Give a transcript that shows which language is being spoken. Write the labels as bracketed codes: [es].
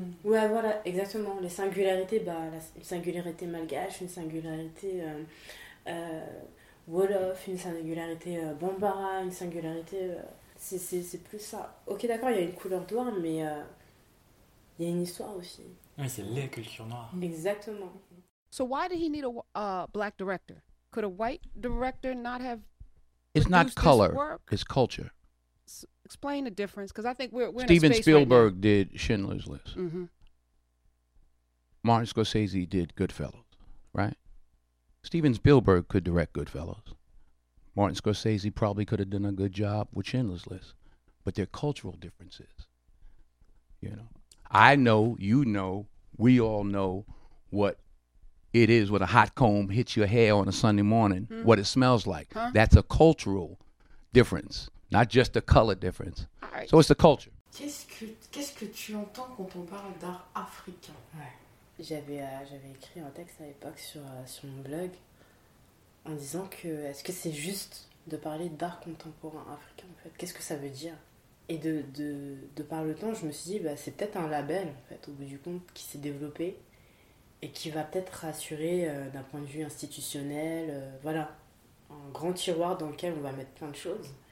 [fr] Ouais, voilà, exactement. Les singularités, une singularité malgache, une singularité wolof, une singularité bambara, une singularité... c'est plus ça. Ok, d'accord, il y a une couleur noire, mais il y a une histoire aussi. Oui, c'est les cultures noires. Exactement. [en] So why did he need a black director? Could a white director not have? It's not color. It's culture. Explain the difference, because I think we're in a space. Steven Spielberg right now. Did Schindler's List. Mm-hmm. Martin Scorsese did Goodfellas, right? Steven Spielberg could direct Goodfellas. Martin Scorsese probably could have done a good job with Schindler's List, but they're cultural differences, you know. I know, you know, we all know what it is when a hot comb hits your hair on a Sunday morning, mm-hmm. what it smells like. Huh? That's a cultural difference, not just a color difference. All right. So it's the culture. [fr] Qu'est-ce que tu entends quand on parle d'art africain? Ouais. J'avais écrit un texte à l'époque sur mon blog en disant que est-ce que c'est juste de parler d'art contemporain africain en fait? Qu'est-ce que ça veut dire? Et de par le temps, je me suis dit, bah, c'est peut-être un label, en fait, au bout du compte, qui s'est développé et qui va peut-être rassurer d'un point de vue institutionnel, voilà, un grand tiroir dans lequel on va mettre plein de choses.